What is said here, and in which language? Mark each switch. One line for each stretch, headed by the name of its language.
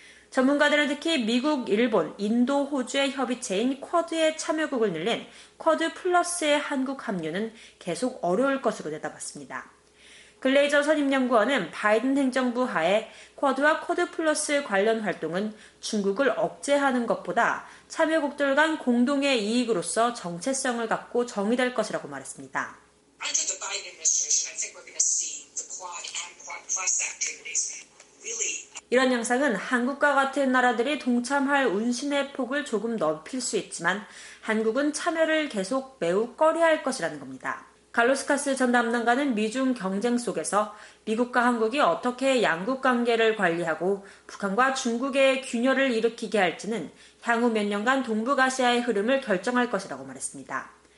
Korean: 전문가들은 특히 미국, 일본, 인도, 호주의 협의체인 쿼드의 참여국을 늘린 쿼드 플러스의 한국 합류는 계속 어려울 것으로 내다봤습니다. 글레이저 선임연구원은 바이든 행정부 하에 쿼드와 쿼드 플러스 관련 활동은 중국을 억제하는 것보다 참여국들 간 공동의 이익으로서 정체성을 갖고 정의될 것이라고 말했습니다.
English: Under the Biden administration, I think we're going to see the Quad and Quad Plus activities really.
Korean: 이런 양상은 한국과 같은 나라들이 동참할 운신의 폭을 조금 넓힐 수 있지만 한국은 참여를 계속 매우 꺼려할 것이라는 겁니다. 갈로스카스 전 담당관은 미중 경쟁 속에서 미국과 한국이 어떻게 양국 관계를 관리하고 북한과 중국의 균열을 일으키게 할지는 향후 몇 년간 동북아시아의 흐름을 결정할 것이라고 말했습니다.